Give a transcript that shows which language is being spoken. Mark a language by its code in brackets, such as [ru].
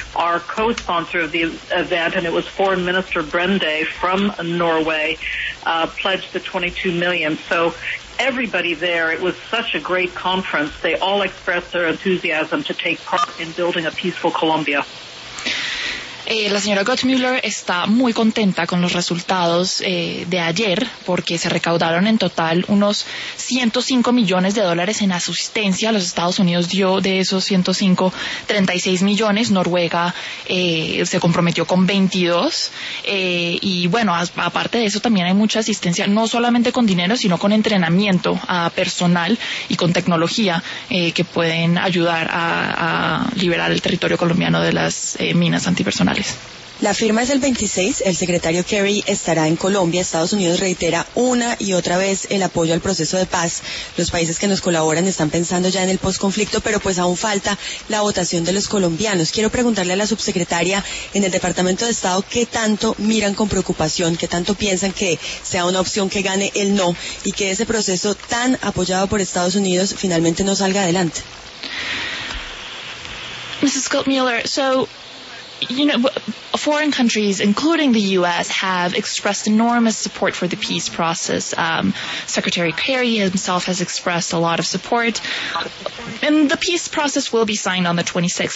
[en] Our co-sponsor of the event, and it was Foreign Minister Brende from Norway, pledged the $22 million. So everybody there, it was such a great conference. They all expressed their enthusiasm to take part in building a peaceful Colombia. [es] La señora Guttmüller está muy contenta con los resultados de ayer, porque se recaudaron en total unos 105 millones de dólares en asistencia. Los Estados Unidos dio de esos 105, 36 millones. Noruega se comprometió con 22. Y bueno, aparte de eso también hay mucha asistencia, no solamente con dinero, sino con entrenamiento a personal y con tecnología que pueden ayudar a liberar el territorio colombiano de las minas antipersonales. La firma es el 26, el secretario Kerry estará en Colombia, Estados Unidos reitera una y otra vez el apoyo al proceso de paz. Los países que nos colaboran están pensando ya en el posconflicto, pero pues aún falta la votación de los colombianos. Quiero preguntarle a la subsecretaria en el Departamento de Estado qué tanto miran con preocupación, qué tanto piensan que sea una opción que gane el no y que ese proceso tan apoyado por Estados Unidos finalmente no salga adelante. [en] Mrs. Guttmüller, so you know, foreign countries, including the U.S., have expressed enormous support for the peace process. Secretary Kerry himself has expressed a lot of support. And the peace process will be signed on the 26th.